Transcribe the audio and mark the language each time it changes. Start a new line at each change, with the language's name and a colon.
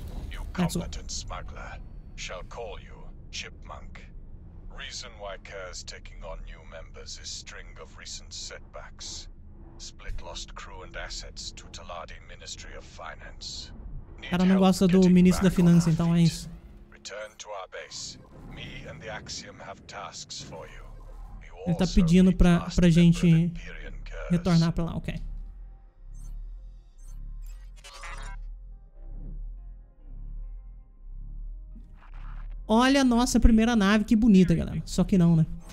English: You competent smuggler. Shall call you Chipmunk. Reason why Kerr's taking on new members is string of recent setbacks. Split lost crew and assets to Taladi Ministry of Finance.
Portuguese: cara não gosta do ministro da finança, então é isso.
English: Return to our base. Me and the Axiom have tasks for you.
Portuguese: Ele tá pedindo pra gente retornar pra lá, ok. Olha a nossa primeira nave, que bonita, galera. Só que não, né?